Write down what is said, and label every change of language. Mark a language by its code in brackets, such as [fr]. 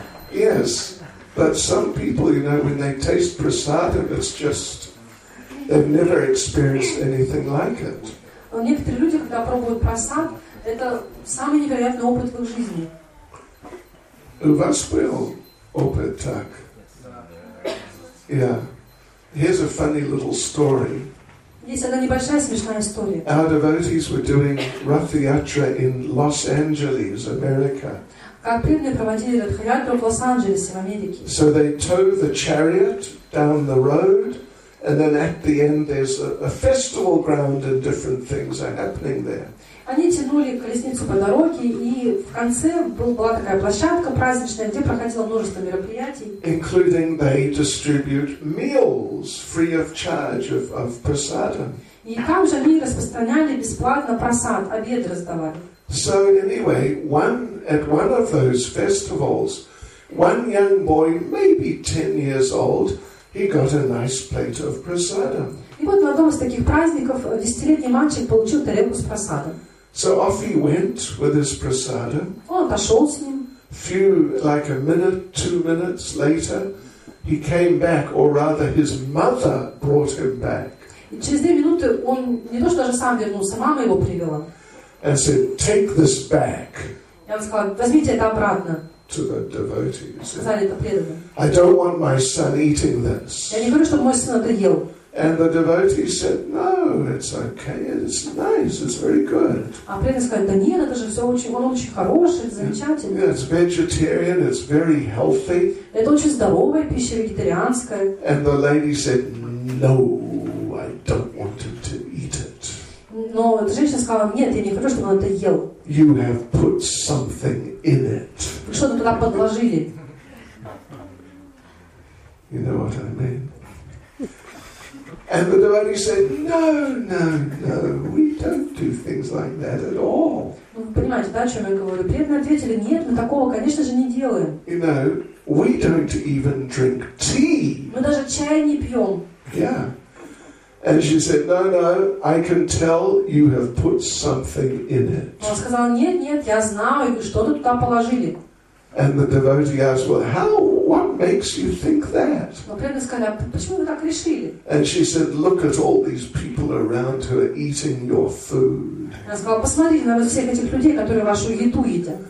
[en] Yes, but some people, you know, when they taste prasadam, it's just, they've never experienced anything like it. [ru] Некоторые люди, когда пробуют просад, это самый невероятный опыт в их жизни. У вас был опыт так? Yeah. [en] Here's a funny little story. [ru] Есть одна небольшая смешная история. [en] Our devotees were doing Rathyatra in Los Angeles, America. [ru] Как преданные проводили Радхаятру в Лос-Анджелесе, в Америке. [en] So they tow the chariot down the road. And then at the end, there's a festival ground, and different things are happening there. [ru] Они тянули колесницу по дороге, и в конце была такая площадка праздничная, где проходило множество мероприятий. [en] Including they distribute meals free of charge of prasadam. [ru] И там же они распространяли бесплатно просад, обед раздавали. [en] So anyway, at one of those festivals, one young boy, maybe 10 years old. He got a nice plate of prasadam. [ru] И вот на одном из таких праздников десятилетний мальчик получил тарелку с просадом. [en] So off he went with his prasadam. [ru] Он пошел с ним. [en] Few, like a minute, 2 minutes later, he came back, or rather, his mother brought him back. [ru] И через 2 минуты он не то что даже сам вернулся, мама его привела. [en] And said, "Take this back." [ru] И он сказал, возьмите это обратно. [en] To the devotees. I don't want my son eating this. And the devotee said, no, it's okay, it's nice, it's very good. Yeah, it's vegetarian, it's very healthy. And the lady said, no, I don't want him to eat it. [ru] Но эта женщина сказала, нет, я не хочу, чтобы он это ел. [en] You have put something in it. [ru] Вы что-то туда подложили. [en] You know what I mean? And the devotee said, no, no, no, we don't do things like that at all. [ru] Ну, вы понимаете, да, о чем я говорю? Преданные ответили, нет, мы такого, конечно же, не делаем. [en] You know, we don't even drink tea. [ru] Мы даже чая не пьем. [en] Yeah. And she said, no, no, I can tell you have put something in it. [ru] Она сказала, нет, нет, я знаю, вы что-то туда положили. [en] And the devotee asked, well, how, what makes you think that? [ru] Но преданные сказали, а почему вы так решили? [en] And she said, look at all these people around her eating your food. [ru] Она сказала, посмотрите на всех этих людей, которые вашу еду едят.